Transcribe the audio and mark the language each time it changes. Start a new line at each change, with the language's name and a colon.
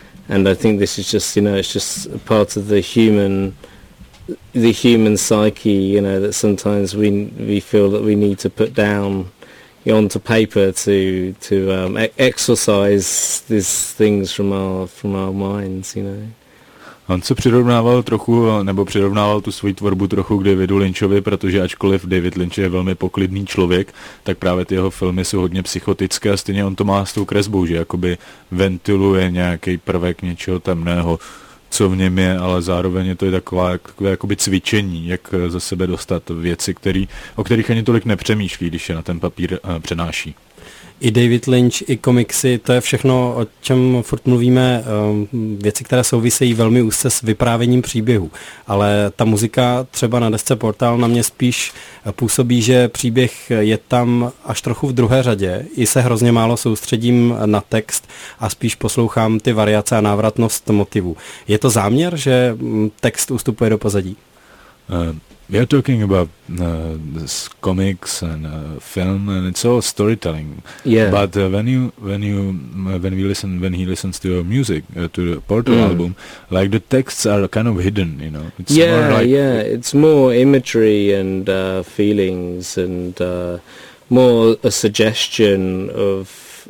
English: And I think this is just, you know, it's just a part of the human psyche, you know, that sometimes we feel that we need to put down onto paper to exorcise these things from our minds, you know.
Czech: On se přirovnával trochu, nebo přirovnával tu svou tvorbu trochu k Davidu Lynchovi, protože ačkoliv David Lynch je velmi poklidný člověk, tak právě ty jeho filmy jsou hodně psychotické a stejně on to má s tou kresbou, že jakoby ventiluje nějaký prvek něčeho temného, co v něm je, ale zároveň je to takové jakoby cvičení, jak za sebe dostat věci, o kterých ani tolik nepřemýšlí, když je na ten papír přenáší. I David Lynch, i komiksy, to je všechno, o čem furt mluvíme, věci, které souvisejí velmi úzce s vyprávěním příběhu. Ale ta muzika třeba na desce Portal na mě spíš působí, že příběh je tam až trochu v druhé řadě. I se hrozně málo soustředím na text a spíš poslouchám ty variace a návratnost motivu. Je to záměr, že text ustupuje do pozadí?
English: We are talking about this comics and film, and it's all storytelling. Yeah. But when he listens to your music to the Portal album, like the texts are kind of hidden, you know. It's more imagery and feelings and more a suggestion of.